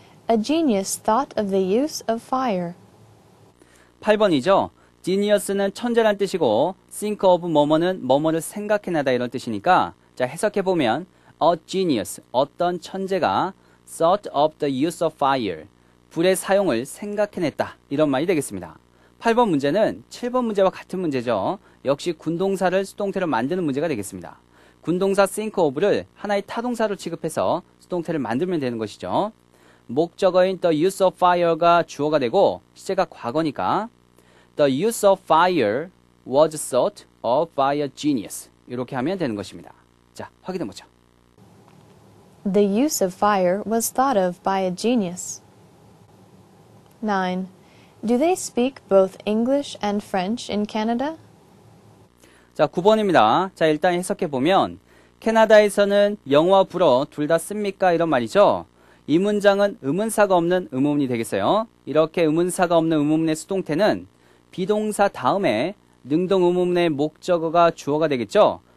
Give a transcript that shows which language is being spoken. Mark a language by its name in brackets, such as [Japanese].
[English] A genius thought of the use of fire. [Korean] 8번이죠. genius는 천재란 뜻이고 think of 뭐뭐는 뭐뭐를 생각해내다 이런 뜻이니까 자, 해석해보면 a genius, 어떤 천재가 [English] thought of the use of fire. [Korean] 불의 사용을 생각해냈다. 이런 말이 되겠습니다. 8번 문제는 7번 문제와 같은 문제죠. 역시 군동사를 수동태로 만드는 문제가 되겠습니다. 군동사 think of를 하나의 타동사로 취급해서 수동태를 만들면 되는 것이죠. 목적어인 [English] the use of fire가 [Korean] 주어가 되고 시제가 과거니까 [English] the use of fire was thought of by a genius. [Korean] 이렇게 하면 되는 것입니다. 자, 확인해보죠. [English] The use of fire was thought of by a genius. 9. Do they speak both English and French in Canada? [Korean] 자, 9번입니다. 자, 일단 해석해 보면 캐나다에서는 영어와 불어 둘 다 씁니까? 이런 말이죠. 이 문장은 의문사가 없는 의문문이 되겠어요. 이렇게 의문사가 없는 의문문의 수동태는 비동사 다음에 능동 의문문의 목적어가 주어가 되겠죠.